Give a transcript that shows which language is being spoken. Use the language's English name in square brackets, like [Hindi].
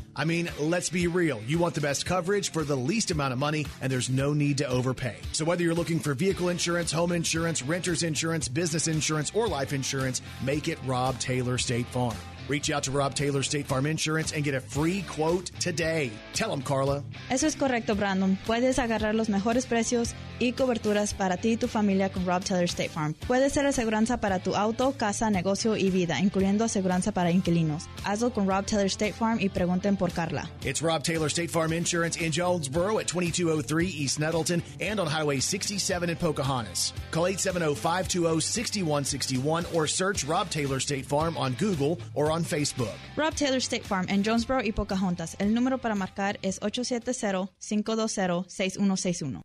[English] I mean, let's be real. You want the best coverage for the least amount of money, and there's no need to overpay. So whether you're looking for vehicle insurance, home insurance, renter's insurance, business insurance, or life insurance, make it Rob Taylor State Farm. Reach out to Rob Taylor State Farm Insurance and get a free quote today. Tell them, Carla. [Spanish] Eso es correcto, Brandon. Puedes agarrar los mejores precios y coberturas para ti y tu familia con Rob Taylor State Farm. Puedes ser aseguranza para tu auto, casa, negocio y vida, incluyendo aseguranza para inquilinos. Hazlo con Rob Taylor State Farm y pregunten por Carla. [English] It's Rob Taylor State Farm Insurance in Jonesboro at 2203 East Nettleton and on Highway 67 in Pocahontas. Call 870-520-6161 or search Rob Taylor State Farm on Google or on Facebook. [Spanish] Rob Taylor State Farm en Jonesboro y Pocahontas. El número para marcar es 870-520-6161.